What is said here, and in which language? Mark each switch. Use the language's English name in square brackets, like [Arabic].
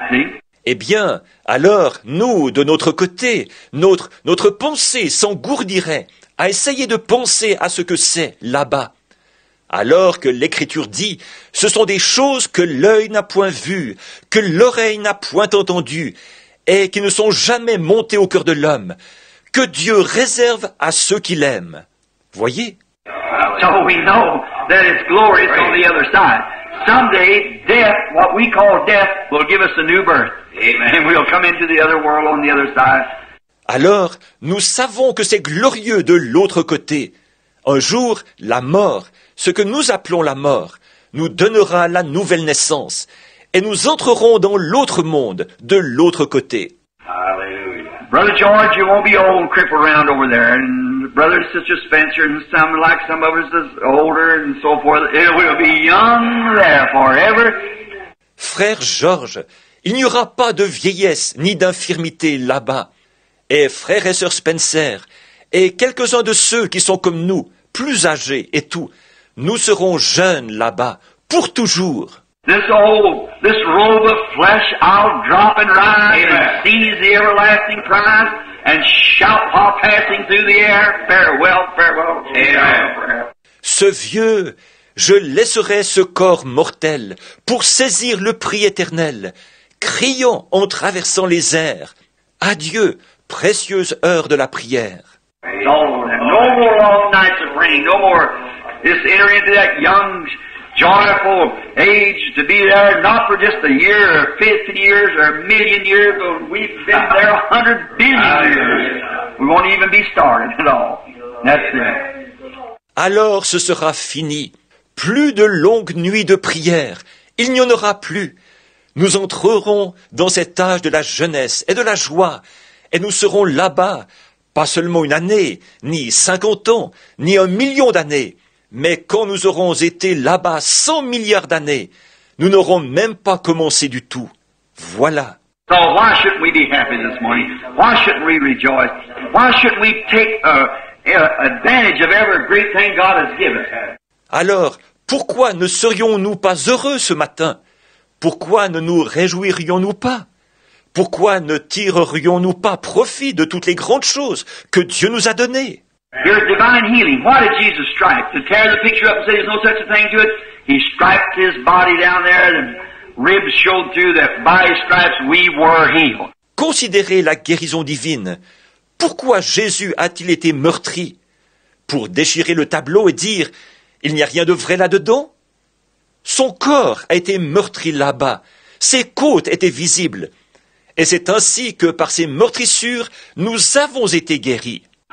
[English] See? [French] Eh bien, alors, nous, de notre côté, notre pensée s'engourdirait à essayer de penser à ce que c'est là-bas. Alors que l'Écriture dit, ce sont des choses que l'œil n'a point vues, que l'oreille n'a point entendues, et qui ne sont jamais montées au cœur de l'homme, que Dieu réserve à ceux qui l'aiment. Voyez. [English] So we know that it's glorious on the other side. Someday, death, what we call death, will give us a new birth. Amen. And we'll come into the other world on the other side. [French] Alors, nous savons que c'est glorieux de l'autre côté. Un jour, la mort, ce que nous appelons la mort, nous donnera la nouvelle naissance, et nous entrerons dans l'autre monde, de l'autre côté. Hallelujah. [English] Brother George, you won't be old and crippled around over there, and Brother and Sister Spencer, and some like some of us is older and so forth, it will be young there forever. [French] Frère George, il n'y aura pas de vieillesse ni d'infirmité là-bas. Et frères et sœurs Spencer, et quelques-uns de ceux qui sont comme nous, plus âgés et tout, nous serons jeunes là-bas, pour toujours. [English] This robe of flesh, I'll drop and rise, and seize the everlasting prize, and shout while passing through the air, farewell, farewell, farewell. [French] Ce vieux, je laisserai ce corps mortel pour saisir le prix éternel, criant en traversant les airs, adieu. Précieuse heure de la prière. [English] No more long nights of rain, no more this enter into that young, joyful age to be there, not for just a year or 50 years or a million years, but we've been there 100 billion years. We won't even be started at all. That's right. [French] Alors ce sera fini. Plus de longues nuits de prière. Il n'y en aura plus. Nous entrerons dans cet âge de la jeunesse et de la joie. Et nous serons là-bas, pas seulement une année, ni 50 ans, ni 1 million d'années. Mais quand nous aurons été là-bas 100 milliards d'années, nous n'aurons même pas commencé du tout. Voilà. [English] So why shouldn't we be happy this morning? Why shouldn't we rejoice? Why shouldn't we take advantage of every great thing God has given us? [French] Alors, pourquoi ne serions-nous pas heureux ce matin? Pourquoi ne nous réjouirions-nous pas? Pourquoi ne tirerions-nous pas profit de toutes les grandes choses que Dieu nous a données? [English] Your divine healing. Why did Jesus strike? To tear the picture up and say there's no such a thing to it? He striped his body down there and ribs showed through that by his stripes we were healed. [French] Considérez la guérison divine. Pourquoi Jésus a-t-il été meurtri? Pour déchirer le tableau et dire « Il n'y a rien de vrai là-dedans » Son corps a été meurtri là-bas. Ses côtes étaient visibles. Et c'est ainsi que par ces meurtrissures, nous avons été guéris.